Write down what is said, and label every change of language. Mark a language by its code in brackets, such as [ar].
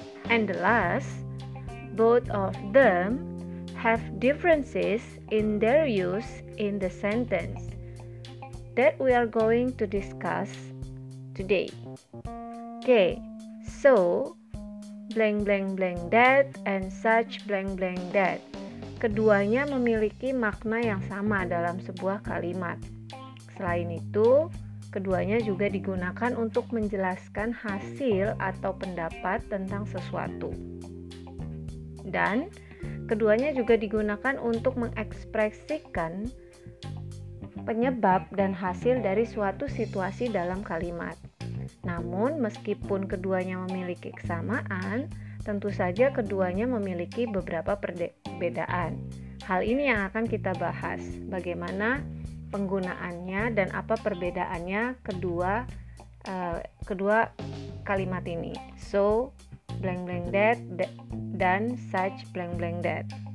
[en] And the last, both of them have differences in their use in the sentence that we are going to discuss today. Okay, so blank blank blank that and such blank blank that. [id] Keduanya memiliki makna yang sama dalam sebuah kalimat. Selain itu, keduanya juga digunakan untuk menjelaskan hasil atau pendapat tentang sesuatu. Dan keduanya juga digunakan untuk mengekspresikan penyebab dan hasil dari suatu situasi dalam kalimat. Namun, meskipun keduanya memiliki kesamaan, tentu saja keduanya memiliki beberapa perbedaan. Hal ini yang akan kita bahas, bagaimana penggunaannya dan apa perbedaannya kedua kalimat ini. [en] So, blank blank that dan such blank blank that.